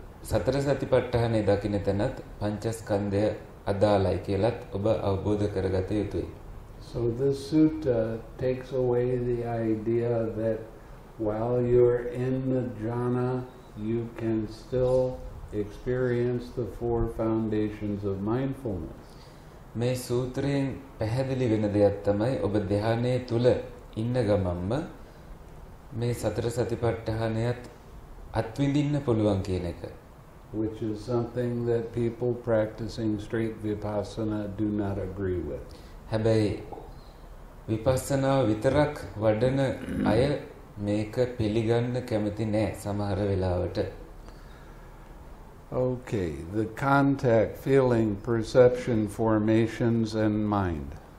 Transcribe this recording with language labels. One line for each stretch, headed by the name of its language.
Sinhala: සතර සතිපට්ඨානය දකින තැනත් පංචස්කන්ධය අදාළයි කියලත් ඔබ අවබෝධ කරගත යුතුයි.
English: So this sutta takes away the idea that while you're in the jhana, you can still experience the four foundations of mindfulness.
Sinhala: මේ සූත්‍රයෙන් පැහැදිලි වෙන දෙයක් තමයි ඔබ ධ්‍යානයේ තුල ඉන්න ගමන්ම මේ සතර සතිපට්ඨානයත් අත්විඳින්න පුළුවන් කියන එක.
English: Which is something that people practicing straight vipassana do not agree with.
Sinhala: හැබැයි විපස්සනා විතරක් වඩන අය මේක පිළිගන්න කැමති නෑ සමහර වෙලාවට.
English: Okay, the contact, feeling, perception, formations, and mind.